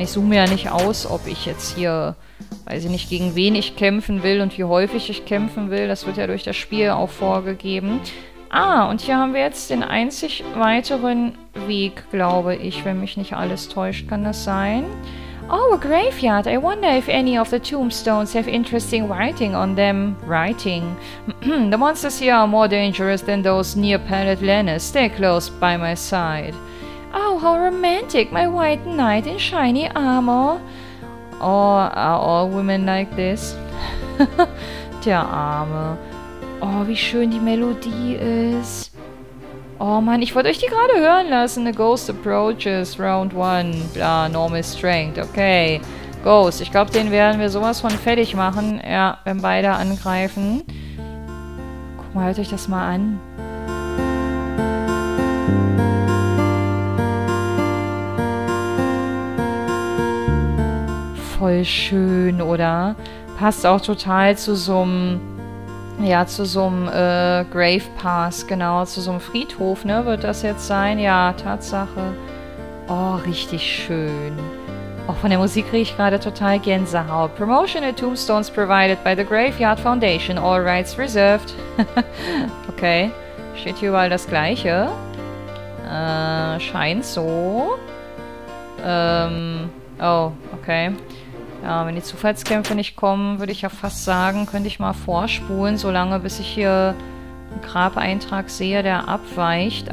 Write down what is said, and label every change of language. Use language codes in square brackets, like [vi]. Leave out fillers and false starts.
[de] Ich zoome ja nicht aus, ob ich jetzt hier... Weiß ich nicht, gegen wen ich kämpfen will und wie häufig ich kämpfen will. Das wird ja durch das Spiel auch vorgegeben. Ah, und hier haben wir jetzt den einzig weiteren Weg, glaube ich, wenn mich nicht alles täuscht. Kann das sein? [en] Oh, a graveyard. I wonder if any of the tombstones have interesting writing on them. Writing. The monsters here are more dangerous than those near Pallet Lannis. Stay close by my side. Oh, how romantic. My white knight in shiny armor. Oh, are all women like this? [de] Der Arme. Oh, wie schön die Melodie ist. Oh Mann, ich wollte euch die gerade hören lassen. [en] The Ghost approaches round one. Bla, normal strength. Okay. [de] Ghost, ich glaube, den werden wir sowas von fertig machen. Ja, wenn beide angreifen. Guck mal, hört euch das mal an. Voll schön, oder? Passt auch total zu so einem, ja, zu so einem Grave Pass, genau, zu so einem Friedhof, ne? Wird das jetzt sein? Ja, Tatsache. Oh, richtig schön. Auch von der Musik kriege ich gerade total Gänsehaut. [en] Promotional Tombstones provided by the Graveyard Foundation. All rights reserved. [de] Okay, steht hier überall das Gleiche. Scheint so. Oh, okay. Ja, wenn die Zufallskämpfe nicht kommen, würde ich ja fast sagen, könnte ich mal vorspulen, solange bis ich hier einen Grabeintrag sehe, der abweicht.